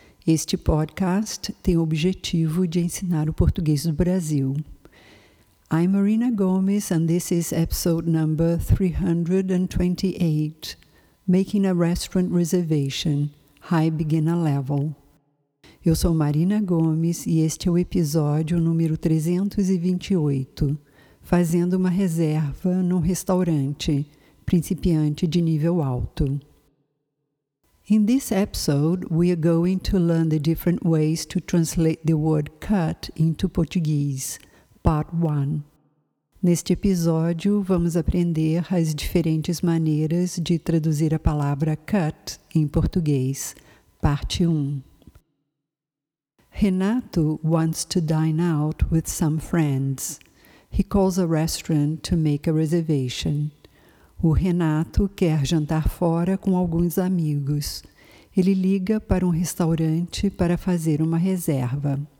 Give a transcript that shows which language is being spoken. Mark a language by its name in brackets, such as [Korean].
[Portuguese] Este podcast tem o objetivo de ensinar o português do Brasil. [English] I'm Marina Gomes and this is episode number 328, Making a Restaurant Reservation, High Beginner Level. [Portuguese] Eu sou Marina Gomes e este é o episódio número 328, Fazendo uma Reserva num Restaurante, Principiante de Nível Alto. [English] In this episode, we are going to learn the different ways to translate the word cut into Portuguese, Part 1. [Portuguese] Neste episódio, vamos aprender as diferentes maneiras de traduzir a palavra cut em português, Parte 1. [English] Renato wants to dine out with some friends. He calls a restaurant to make a reservation. [Portuguese] O Renato quer jantar fora com alguns amigos. Ele liga para um restaurante para fazer uma reserva.